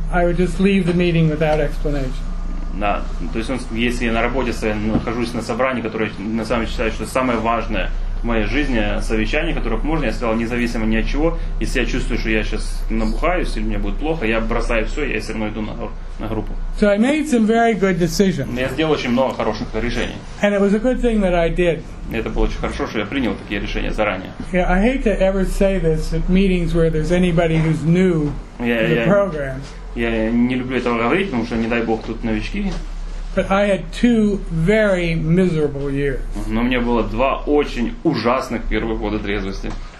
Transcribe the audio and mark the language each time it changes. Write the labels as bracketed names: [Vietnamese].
[English] I would just leave the meeting without explanation. [Russian] Да, то есть если я на работе нахожусь на собрании, которое на самом деле считаю, что самое важное в моей жизни, совещание, которое можно, я сказал, независимо ни от чего, если я чувствую, что я сейчас набухаюсь или мне будет плохо, я бросаю все, я все равно иду на группу. [English] So I made some very good decisions. [Russian] Я сделал очень много хороших решений. [English] And it was a good thing that I did. [Russian] Это было очень хорошо, что я принял такие решения заранее. [English] Yeah, I hate to ever say this at meetings where there's anybody who's new to the program. [Russian] Я не люблю этого говорить, потому что, не дай бог, тут новички. [English] But I had two very miserable years. [Russian] Но у меня было два очень ужасных первых года трезвости.